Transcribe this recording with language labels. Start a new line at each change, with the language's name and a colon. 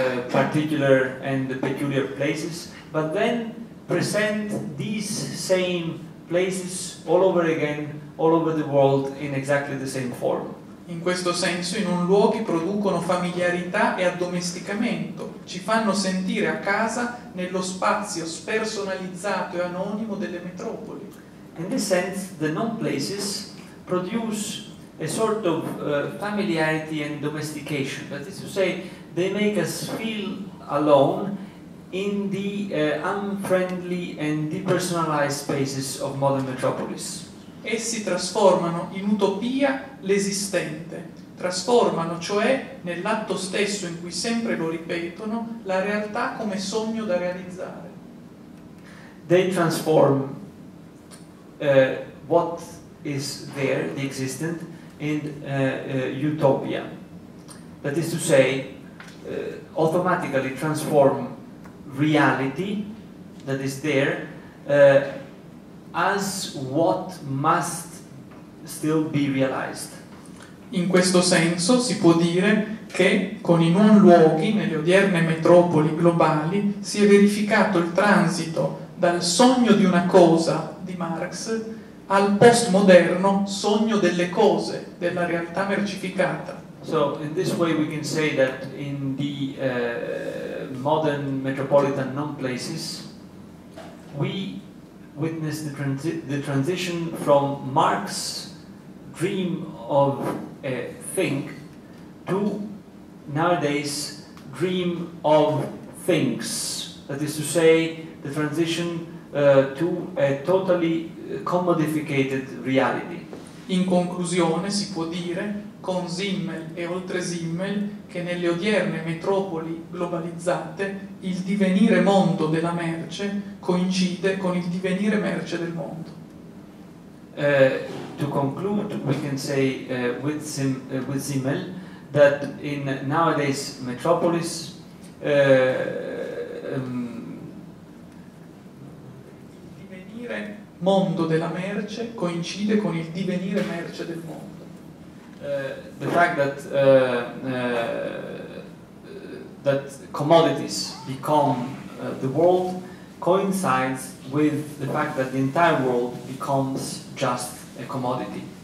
English: particular and peculiar places, but then present these same places all over again, all over the world, in exactly the same form.
Italian: In questo senso, i non luoghi producono familiarità e addomesticamento, ci fanno sentire a casa nello spazio spersonalizzato e anonimo delle metropoli.
English: In this sense, the non places produce a sort of familiarity and domestication, that is to say, they make us feel alone in the unfriendly and depersonalized spaces of modern metropolis.
Italian: Essi trasformano in utopia l'esistente, trasformano cioè nell'atto stesso in cui sempre lo ripetono la realtà come sogno da realizzare.
English: They transform what is there, the existent, in utopia. That is to say, automatically transform reality that is there as what must still be realized.
Italian: In questo senso si può dire che con i non luoghi, nelle odierne metropoli globali, si è verificato il transito dal sogno di una cosa, di Marx, al postmoderno sogno delle cose, della realtà mercificata.
English: So in this way we can say that in the modern metropolitan non-places we witness the transition from Marx's dream of a thing to nowadays dream of things, that is to say, the transition to a totally commodificated reality.
Italian: In conclusione si può dire, con Simmel e oltre Simmel, che nelle odierne metropoli globalizzate il divenire mondo della merce coincide con il divenire merce del mondo.
English: To conclude, we can say with Simmel that in nowadays metropolis
Italian: il divenire mondo della merce coincide con il divenire merce del mondo.
English: The fact that that commodities become the world coincides with the fact that the entire world becomes just a commodity.